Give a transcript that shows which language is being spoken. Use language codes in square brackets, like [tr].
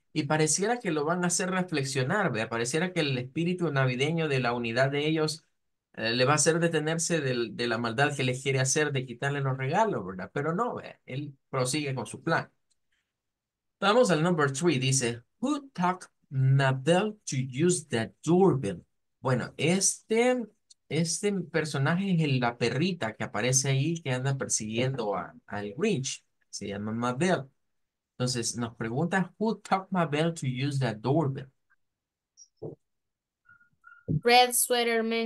[es] Y pareciera que lo van a hacer reflexionar, ¿verdad? Pareciera que el espíritu navideño de la unidad de ellos le va a hacer detenerse de la maldad que les quiere hacer de quitarle los regalos, ¿verdad? Pero no, ¿verdad? Él prosigue con su plan. Vamos al [en] number three, dice, who talked Mabel to use the doorbell. [es] Bueno, este personaje es la perrita que aparece ahí que anda persiguiendo al Grinch. Se llama Mabel. Entonces nos pregunta: [en] ¿Who talked Mabel to use the doorbell? Red Sweater